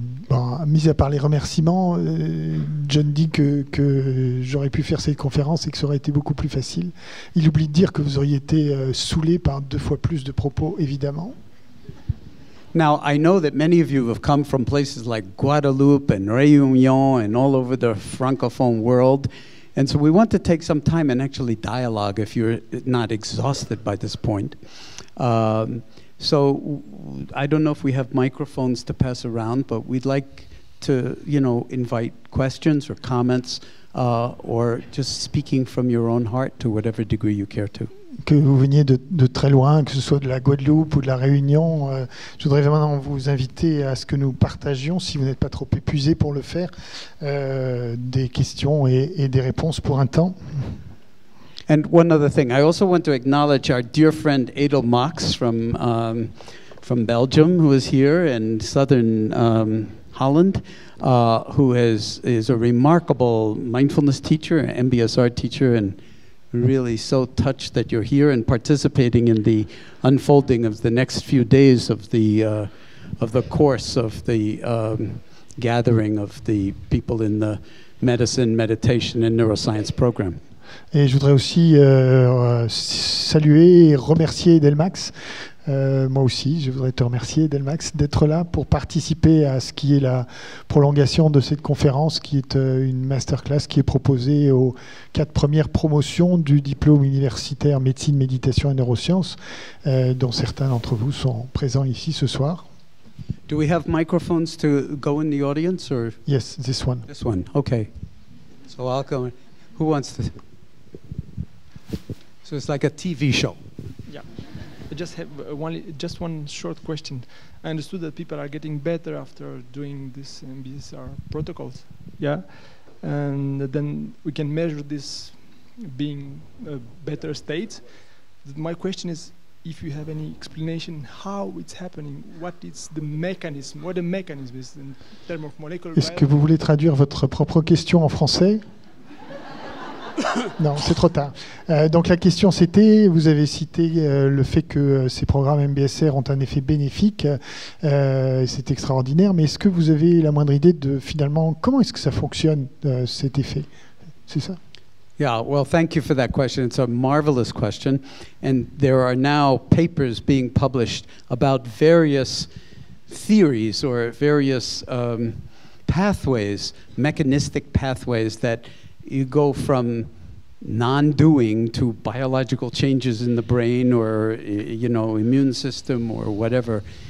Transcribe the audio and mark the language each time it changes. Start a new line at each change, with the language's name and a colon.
French: Bon, mis à part les remerciements, John dit que j'aurais pu faire cette conférence et que ça aurait été beaucoup plus facile. Il oublie de dire que vous auriez été saoulé par deux fois plus de propos, évidemment.
English: Now, I know that many of you have come from places like Guadeloupe and Réunion and all over the francophone world. And so we want to take some time and actually dialogue if you're not exhausted by this point. I don't know if we have microphones to pass around, but we'd like to, you know, invite questions or comments or just speaking from your own heart to whatever degree you care to.
French: Que vous veniez de très loin, que ce soit de la Guadeloupe ou de la Réunion, je voudrais vraiment vous inviter à ce que nous partagions, si vous n'êtes pas trop épuisé pour le faire, des questions et des réponses pour un temps.
English: And one other thing, I also want to acknowledge our dear friend Adel Max from Belgium, who is here in southern Holland, who is a remarkable mindfulness teacher, MBSR teacher, and really so touched that you're here and participating in the unfolding of the next few days of the course of the gathering of the people in the medicine, meditation and neuroscience program.
French: Et je voudrais aussi saluer et remercier Delmax. Moi aussi, je voudrais te remercier, Delmax, d'être là pour participer à ce qui est la prolongation de cette conférence, qui est une masterclass qui est proposée aux quatre premières promotions du diplôme universitaire médecine, méditation et neurosciences, dont certains d'entre vous sont présents ici ce soir.
English: Do we have microphones to go in the audience? Or? Yes, this one. This one, okay. So I'll go. Who wants to? So it's like a TV show. Just one short question. I understood that people are getting better after doing this MBSR protocols. Yeah, and then we can measure this being a better state. My question is, if you have any explanation how it's happening, what is the mechanism? What the mechanism is in terms of molecular?
French: Est-ce que vous voulez traduire votre propre question en français? Non, c'est trop tard. Donc la question c'était, vous avez cité le fait que ces programmes MBSR ont un effet bénéfique, c'est extraordinaire, mais est-ce que vous avez la moindre idée de finalement comment est-ce que ça fonctionne, cet effet? C'est ça?
English: Yeah, well, thank you for that question. It's a marvelous question. And there are now papers being published about various theories or various pathways, mechanistic pathways that you go from non-doing to biological changes in the brain or, you know, immune system or whatever.